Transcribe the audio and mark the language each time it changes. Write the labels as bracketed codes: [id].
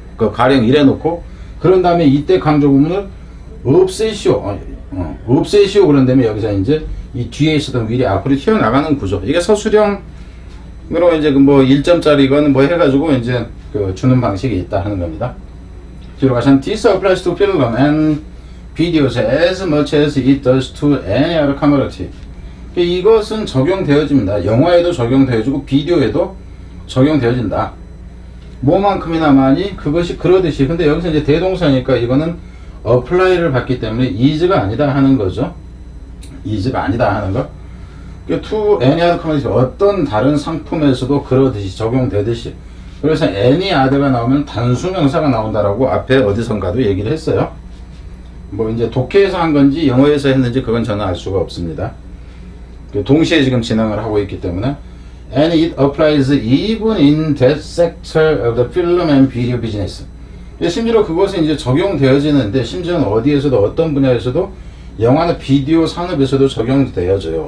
[ko] 그 가령 이래 놓고 그런 다음에 이때 강조구문을 없애시오. 없애시오. 그런 다음에 여기서 이제 이 뒤에 있었던 위리 앞으로 튀어나가는 구조. 이게 서술형으로 이제 그 뭐 1점짜리건 뭐 해가지고 이제 그 주는 방식이 있다 하는 겁니다. 뒤로 가서 [en] This applies to film and videos as much as it does to any other commodity. [ko] 이것은 적용되어집니다. 영화에도 적용되어지고 비디오에도 적용되어진다. 뭐만큼이나마니 그것이 그러듯이. 근데 여기서 이제 대동사니까 이거는 apply를 받기 때문에 is가 아니다 하는 거죠. is가 아니다 하는 거. [en] to any other commodity, [ko] 어떤 다른 상품에서도 그러듯이 적용되듯이. 그래서 any other가 나오면 단수명사가 나온다라고 앞에 어디선가도 얘기를 했어요. 뭐 이제 독해에서 한 건지 영어에서 했는지 그건 저는 알 수가 없습니다. 동시에 지금 진행을 하고 있기 때문에. [en] And it applies even in that sector of the film and video business. [ko] 심지어 그것은 이제 적용되어지는데, 심지어는 어디에서도, 어떤 분야에서도, 영화나 비디오 산업에서도 적용되어져요.